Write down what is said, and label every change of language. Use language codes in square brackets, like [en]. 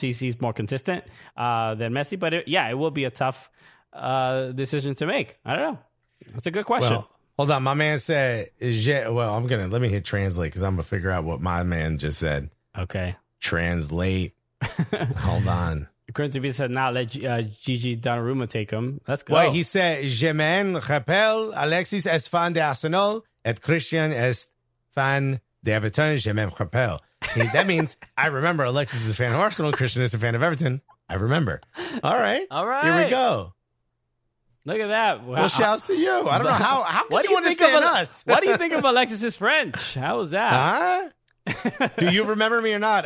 [en] He's more consistent than Messi. But it will be a tough decision to make. I don't know. That's a good question. Well, hold on. My man said, let me hit translate because I'm going to figure out what my man just said. Okay. Translate. Hold on. Crimson Pizza said, not let Gigi Donnarumma take him. Let's go. Well, he said, [fr] je m'en rappelle Alexis est fan de Arsenal et Christian est fan de Everton. Je m'en rappelle. [en] That means I remember Alexis is a fan of Arsenal. Christian is a fan of Everton. I remember. All right. Here we go. Look at that. Well, shouts to you. I don't know how can you understand us? What do you think of Alexis's French? How was that? Huh? Do you remember me or not?